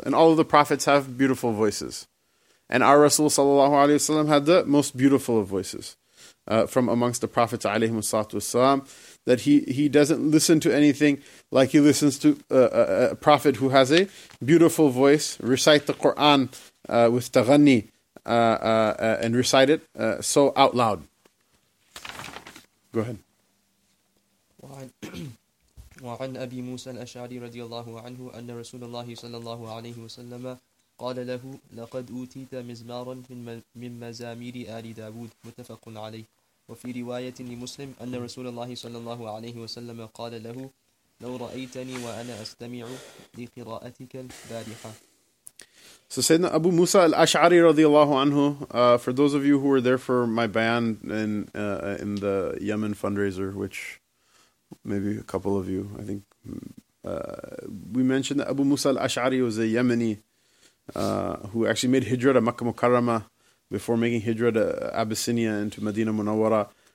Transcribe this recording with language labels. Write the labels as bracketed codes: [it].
[en] And all of the prophets have beautiful voices. And our Rasul sallallahu alayhi wa sallam had the most beautiful of voices from amongst the prophets alayhi wa sallam. That he doesn't listen to anything like he listens to a prophet who has a beautiful voice, recite the Quran with taghanni and recite it so out loud. Go ahead. [ar] وعن أبي موسى الأشعري رضي الله عنه أن رسول الله صلى الله عليه وسلم قال له لقد أوتيت مزمارا من مزامير آل داود متفق عليه وفي رواية لمسلم أن رسول الله صلى الله عليه وسلم قال له لو رأيتني وأنا أستمع لقراءتك البارحة. [en] So Sayyidina Abu Musa al-Ash'ari radiallahu anhu, for those of you who were there for my bayan in the Yemen fundraiser, which maybe a couple of you, I think, we mentioned that Abu Musa al-Ash'ari was a Yemeni who actually made hijra to Makkah Mukarrama before making hijra to Abyssinia and to Medina Munawwara.